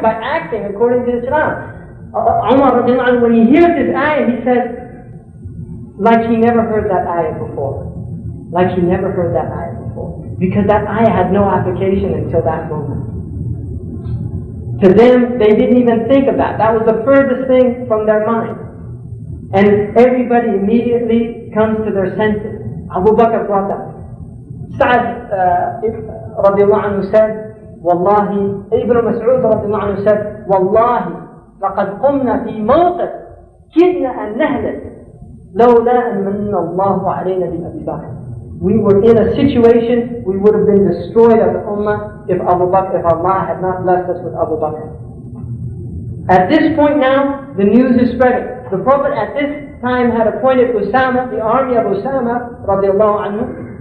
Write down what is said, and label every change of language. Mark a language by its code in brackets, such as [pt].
[en] By acting according to Islam. Umar radiallahu anhu, when he hears this ayah, he says, like he never heard that ayah before. Like he never heard that ayah before. Because that ayah had no application until that moment. To them, they didn't even think of that. That was the furthest thing from their mind. And everybody immediately comes to their senses. Abu Bakr brought that. Sa'd radiallahu anhu said, Wallahi, [ar] Ibn Mas'ud radiallahu anhu said, Wallahi, لقد قمنا في موقف كدنا أن نهلك لولا أن من الله علينا بأبي بكر. [en] We were in a situation, we would have been destroyed as the Ummah if Abu Bakr, if Allah had not blessed us with Abu Bakr. At this point now, the news is spreading. The Prophet at this time had appointed Usama, the army of Usama radiallahu anhu.